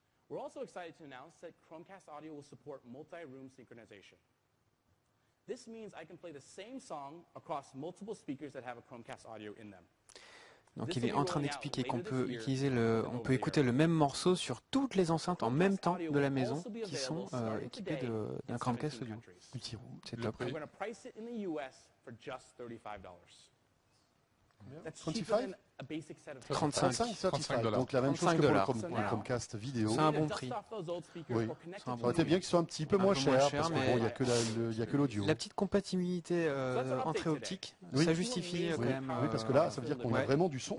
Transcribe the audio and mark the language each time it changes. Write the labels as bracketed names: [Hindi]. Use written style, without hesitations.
[English] We're also excited to announce that Chromecast Audio will support multi-room synchronization. This means I can play the same song across multiple speakers that have a Chromecast Audio in them. [French] Donc il est en train d'expliquer qu'on peut utiliser on peut écouter le même morceau sur toutes les enceintes en même temps de la maison qui sont équipées d'un Chromecast audio. C'est top. [English] We're going to price it in the US for just $35. That's cheaper than a basic set of [French] 35 dollars. Donc la même chose que pour le Chromecast vidéo. C'est un bon prix. Oui. Ça aurait été bien qu'il soit un petit peu moins cher parce qu'il n'y a que l'audio. La petite compatibilité entrée optique, oui. Ça justifie oui. quand même. Oui, parce que là, ça veut dire qu'on a vraiment du son.